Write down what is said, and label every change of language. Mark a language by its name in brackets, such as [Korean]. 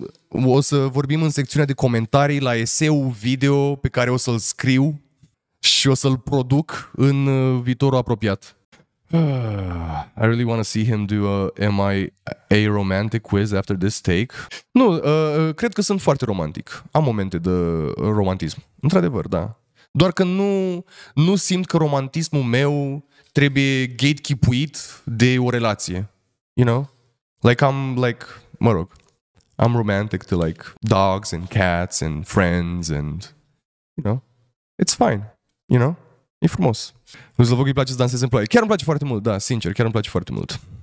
[Romanian] O să vorbim în secțiunea de comentarii la eseul video pe care o să-l scriu și o să-l produc în viitorul apropiat. [English] I really want to see him do a am I a romantic quiz after this take. [Romanian] Nu, cred că sunt foarte romantic. Am momente de romantism. Într-adevăr, da. Doar că nu simt că romantismul meu trebuie gatekeep-uit de o relație. [English] You know? Like, I'm like, [Romanian] mă rog, [English] I'm romantic to, like, dogs and cats and friends and, you know, it's fine, you know, [Romanian] e frumos. Lui Slavoc îi place să danseze în ploaie. Chiar îmi place foarte mult, da, sincer, chiar îmi place foarte mult.